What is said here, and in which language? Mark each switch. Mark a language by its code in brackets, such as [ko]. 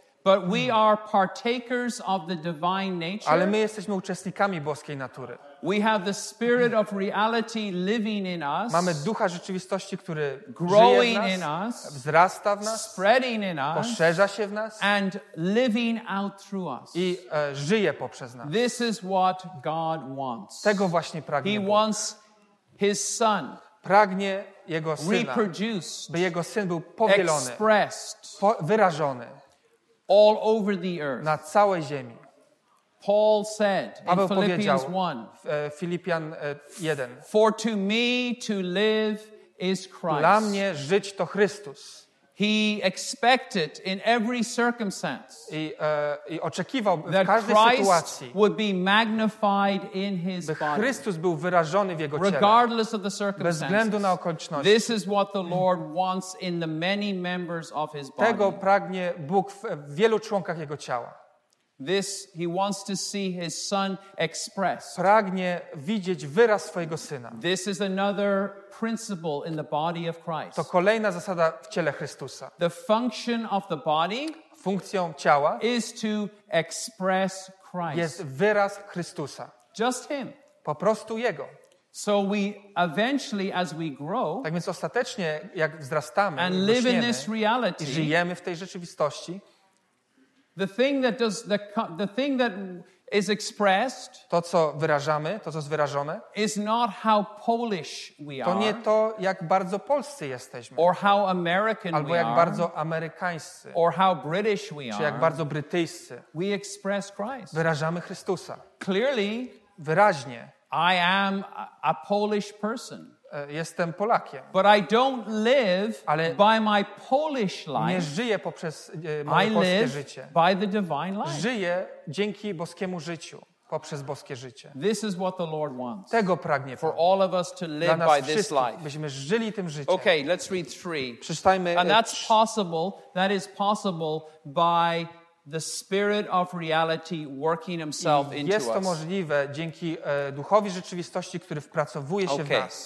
[en] But we are partakers of the divine nature. [pl] Ale my jesteśmy uczestnikami boskiej natury. [en] We have the spirit of reality living in us. [pl] Mamy ducha rzeczywistości, który [en] growing [pl] żyje w nas, [en] in us, [pl] wzrasta w nas, [en] spreading in us, [pl] poszerza się w nas, [en] and living out through us. [pl] I żyje poprzez nas. [en] This is what God wants. [pl] Tego właśnie pragnie [en] He [pl] Bóg. [en] Wants his son. [pl] Pragnie jego syna, [en] reproduced, [pl] by jego syn był powielony, [en] expressed, [pl] wyrażony [en] all over the earth. [pl] Na całej ziemi. [en] Paul said in [pl] Paweł [en] Philippians 1, [pl] Filipian 1. [en] For to me to live is Christ. [pl] Dla mnie żyć to Chrystus. [en] He expected in every circumstance [pl] i oczekiwał [en] that [pl] w każdej [en] Christ [pl] sytuacji, [en] would be magnified in his [pl] by Chrystus [en] body, [pl] był wyrażony w jego ciele. [en] Regardless of the circumstances. [pl] Bez względu na okoliczności. [en] This is what the Lord wants in the many members of his body. [pl] Tego pragnie Bóg w wielu członkach jego ciała. [en] This he wants to see his son expressed. [pl] Pragnie widzieć wyraz swojego syna. [en] This is another principle in the body of Christ. [pl] To kolejna zasada w ciele Chrystusa. [en] The function of the body, [pl] funkcją ciała, [en] is to express Christ. [pl] Jest wyraz Chrystusa. [en] Just him. [pl] Po prostu jego. [en] So we eventually as we grow, [pl] tak więc ostatecznie jak wzrastamy, [en] and live in this reality, [pl] i żyjemy w tej rzeczywistości, [en] the thing that does the thing that is expressed, [pl] to co wyrażamy, to co jest wyrażone, [en] is not how Polish we are, [pl] to nie to jak bardzo polscy jesteśmy, [en] or how American we are, [pl] albo jak bardzo amerykańscy, [en] or how British we are, [pl] czy jak bardzo brytyjscy. [en] We express Christ. [pl] Wyrażamy Chrystusa. [en] Clearly, [pl] wyraźnie. [en] I am a Polish person. [pl] Jestem Polakiem. [en] But I don't live [pl] ale [en] by my Polish life. [pl] Nie żyję poprzez moje polskie życie. [en] By the divine life. [pl] Żyję dzięki boskiemu życiu, poprzez boskie życie. [en] This is what the Lord wants. [pl] Tego pragnie [en] for all of us to live [pl] dla nas [en] by this life. [pl] Byśmy żyli tym życiem. [en] Okay, let's read three. [pl] Przeczytajmy. [en] And that's possible. That is possible by the spirit of reality working himself into us. [pl] Jest to możliwe dzięki duchowi rzeczywistości, który wpracowuje się w nas.